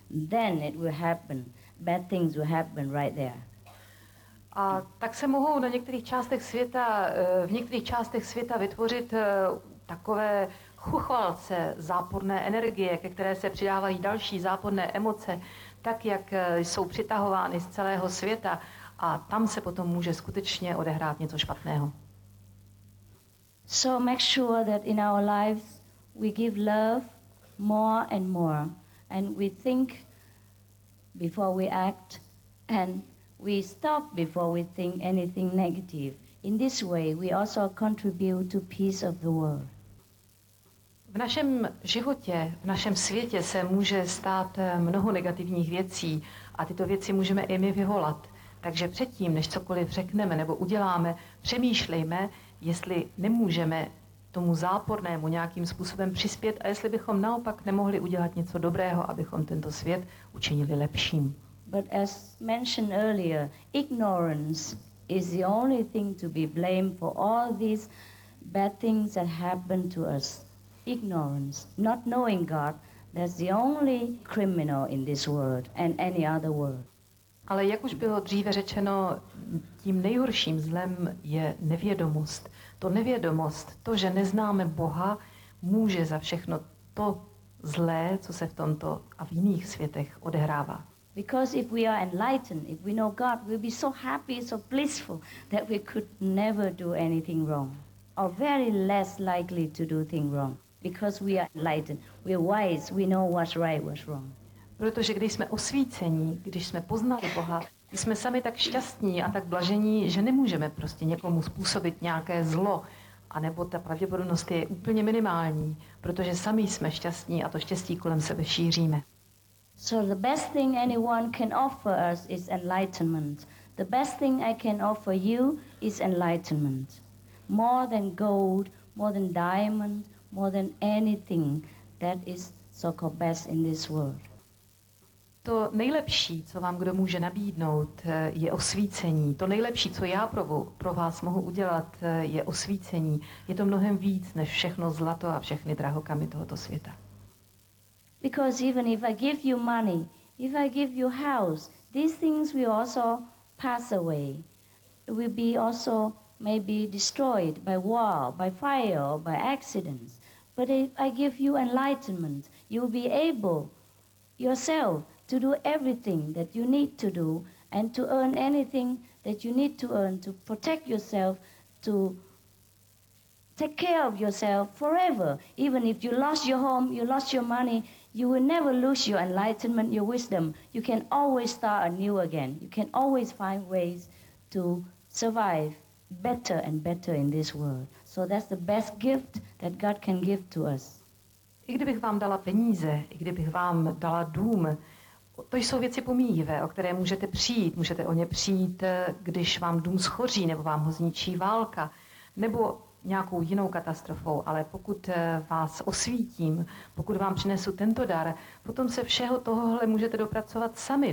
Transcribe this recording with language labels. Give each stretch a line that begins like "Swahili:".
English: Then it will happen. Bad things will happen right there.
Czech: A tak se mohou na některých částech světa, v některých částech světa vytvořit takové chuchvalce, záporné energie, ke které se přidávají další záporné emoce, tak jak jsou přitahovány z celého světa a tam se potom může skutečně odehrát něco špatného.
English: So make sure that in our lives we give love more and more and we think before we act and we stop before we think anything negative. In this way, we also contribute to peace of the world.
Czech: V našem životě, v našem světě se může stát mnoho negativních věcí a tyto věci můžeme i my vyvolat. Takže předtím, než cokoliv řekneme nebo uděláme, přemýšlejme, jestli nemůžeme tomu zápornému nějakým způsobem přispět a jestli bychom naopak nemohli udělat něco dobrého, abychom tento svět učinili lepším.
English: But as mentioned earlier, ignorance is the only thing to be blamed for all these bad things that happen to us. Ignorance, not knowing God, that's the only criminal in this world and any other world.
Czech: Ale jak už bylo dříve řečeno, tím nejhorším zlem je nevědomost. To nevědomost, to, že neznáme Boha, může za všechno to zlé, co se v tomto a v jiných světech odehrává.
English: Because if we are enlightened, if we know God, we'll be so happy, so blissful that we could never do anything wrong, or very less likely to do things wrong, because we are enlightened, we're wise, we know what's right, what's wrong.
Czech: Protože když jsme osvícení, když jsme poznali Boha, jsme sami tak šťastní a tak blažení, že nemůžeme prostě někomu způsobit nějaké zlo, anebo ta pravděpodobnost je úplně minimální, protože sami jsme šťastní a to štěstí kolem sebe šíříme.
English: So the best thing anyone can offer us is enlightenment. The best thing I can offer you is enlightenment. More than gold, more than diamond, more than anything that is so-called best in this world.
Czech: To nejlepší, co vám kdo může nabídnout, je osvícení. To nejlepší, co já pro vás mohu udělat, je osvícení. Je to mnohem víc než všechno zlato a všechny drahokamy tohoto světa.
English: Because even if I give you money, if I give you house, these things will also pass away. It will be also maybe destroyed by war, by fire, or by accidents. But if I give you enlightenment, you'll be able yourself to do everything that you need to do and to earn anything that you need to earn to protect yourself, to take care of yourself forever. Even if you lost your home, you lost your money, you will never lose your enlightenment, your wisdom. You can always start anew again. You can always find ways to survive better and better in this world. So that's the best gift that God can give to us.
Czech: I kdybych vám dala peníze, i kdybych vám dala dům, to jsou věci pomíjivé, o které můžete přijít. Můžete o ně přijít, když vám dům schoří, nebo vám ho zničí válka, nebo nějakou jinou katastrofou, ale pokud vás osvítím, pokud vám přinesu tento dar, potom se všeho tohohle můžete dopracovat sami.